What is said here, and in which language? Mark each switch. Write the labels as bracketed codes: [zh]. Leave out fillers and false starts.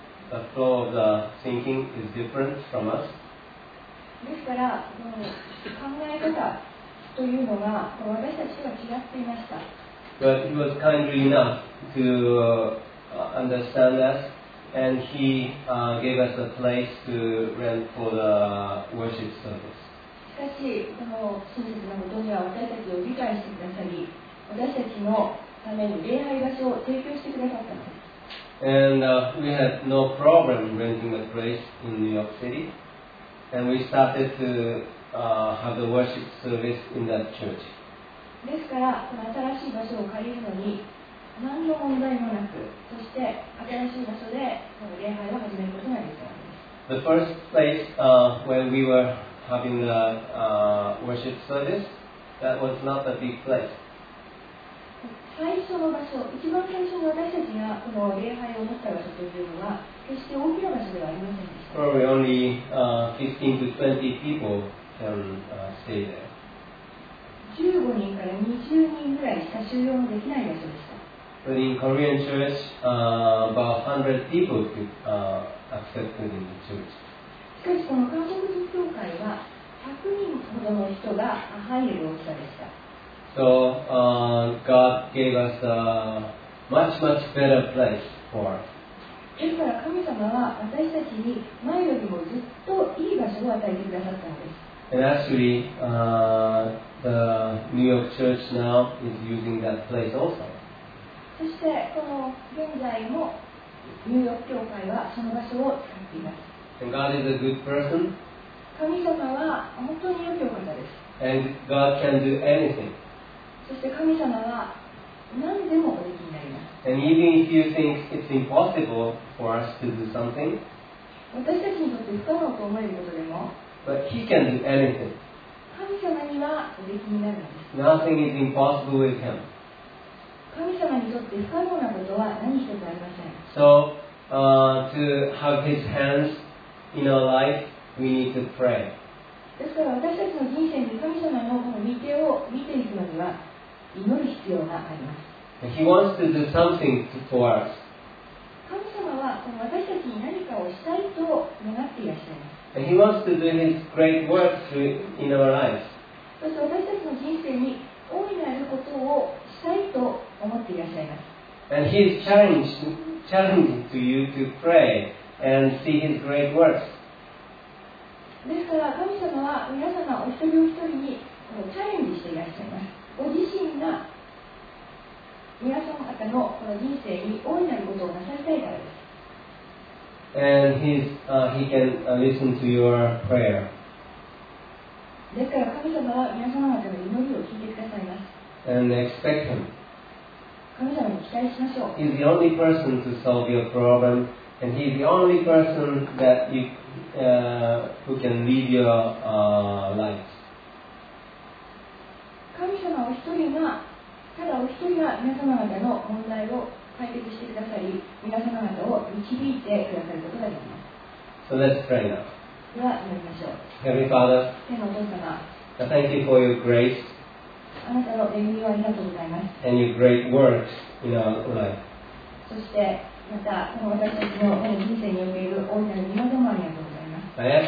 [en] The flow of the thinking is different from us. [ja] ですから、考え方というのが私たちとは違っていました。 [en] But he was kindly enough to understand us, and he gave us a place to rent for the worship service. [ja] しかし、この真実のことには私たちを理解してくださり、私たちのために礼拝場所を提供してくださったのです。 [en] And、we had no problem renting a place in New York City. And we started to、have the worship service in that church. [ja] ですから、この新しい場所を借りるのに何の問題もなく、そして新しい場所でこの礼拝を始めることができたんです。 [en] The first place、when we were having the、worship service, that was not a big place. [ja] 最初の場所、一番最初に私たちがこの礼拝を持った場所というのは決して大きな場所ではありませんでした。 [en] Probably only 15 to 20 people can stay there. [ja] 15人から20人ぐらいしか収容できない場所でした。 [en] But in Korean church, about 100 people could accept it in the church. [ja] しかしこの韓国人教会は100人ほどの人が入れる大きさでした。 [en] So God gave us a much, much better place for us. [ja] ですから神様は私たちに前よりもずっといい場所を与えてくださったんです。 [en] And actually, the New York Church now is using that place also. [ja] そしてこの現在もニューヨーク教会はその場所を使っています。 [en] And God is a good person. [ja] 神様は本当に良きお方です。 [en] And God can do anything. [ja] そして神様は何でもおできになります。 [en] And even if you think it's impossible for us to do something, [ja] 私たちにとって不可能と思えることでも、 [en] But he can do anything. [ja] 神様にはおできになるんです。 [en] Nothing is impossible with him. [ja] 神様にとって不可能なことは何一つありません。 [en] So, to have his hands in our life, we need to pray. [ja] ですから私たちの人生に神様のこの御手を見ていくのには祈る必要があります。 [en] He wants to do something for us. [ja] 神様は私たちに何かをしたいと願っていらっしゃいます。 [en] He wants to do his great work through in our lives. [ja] そして私たちの人生に大いなることをしたいと思っていらっしゃいます。 [en] And he is challenging to you to pray and see his great works. [ja] ですから神様は皆様お一人お一人にこのチャレンジしていらっしゃいます。ご自身が皆様方のこの人生に大いなることをなさりたいからです。 [en] And he can listen to your prayer. [ja] ですから神様は皆様方の祈りを聞いてくださいます。 [en] And expect him. [ja] 神様に期待しましょう。 [en] He's the only person to solve your problem. And he's the only person that you, who can lead your life. [ja] 神様お一人が、ただお一人が皆様方の問題を解決してくださり、皆様方を導いてくださることができます。 [en] So let's pray now. [ja] では祈りましょう。 [en] Heavenly Father, [ja] 天のお父様、 [en] I thank you for your grace. [ja] あなたの恵みをありがとうございます。 [en] And your great works in our life. [ja] そしてまた、私たちの人生における大きな御業もありがとうございます。